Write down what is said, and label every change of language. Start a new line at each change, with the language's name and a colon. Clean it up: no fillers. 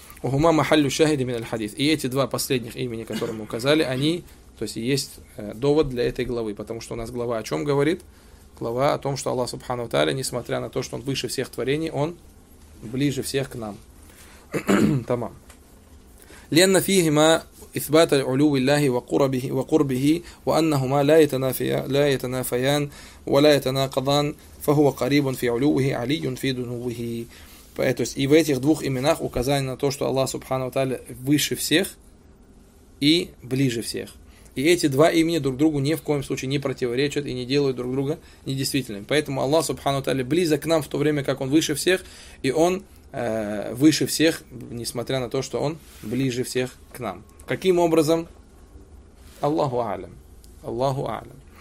Arabic: Ухума махаллю шахиди мин аль-хадис.
Russian: И эти два последних имени, которые мы указали, они, то есть, есть довод для этой главы, потому что у нас глава о чем говорит? Глава о том, что Аллах Субхану Тааля, несмотря на то, что он выше всех творений, он ближе всех к нам. Тамам. Ленна фихима
Arabic: إثبات العلو الله وقربه وقربه وأنهما لا يتنافيان ولا يتناقضان فهو قريب في علوه علي في دنوه.
Russian: То есть и в этих двух именах указание на то, что Аллах Субхану Тааля выше всех и ближе всех. И эти два имени друг другу ни в коем случае не противоречат и не делают друг друга недействительными. Поэтому Аллах Субхану Тааля близок к нам в то время, как Он выше всех, и Он выше всех, несмотря на то, что Он ближе всех к нам. Каким образом? Аллаху а'лям. Аллаху а'лям.